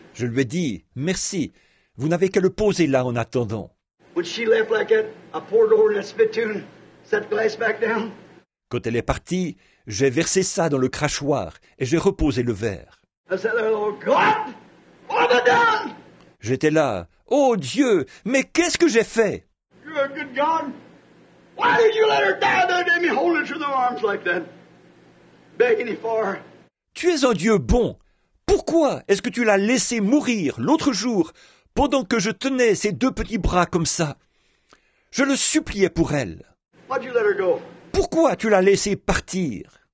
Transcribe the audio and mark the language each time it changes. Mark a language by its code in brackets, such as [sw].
[fr] Je lui ai dit, merci, vous n'avez qu'à le poser là en attendant. [en] When she left like that, I poured over that spittoon, set the glass back down. [fr] Quand elle est partie, j'ai versé ça dans le crachoir et j'ai reposé le verre. [en] I said, oh God, what have I done? [fr] J'étais là, oh Dieu, mais qu'est-ce que j'ai fait? [en] You're a good God. Why did you let her die there, didn't you hold her through the arms like that? Begging you for her. [fr] Tu es un Dieu bon. Pourquoi est-ce que tu l'as laissé mourir l'autre jour pendant que je tenais ses deux petits bras comme ça? Je le suppliais pour elle. [en] Why'd you let her go? [fr] Pourquoi tu l'as laissé partir?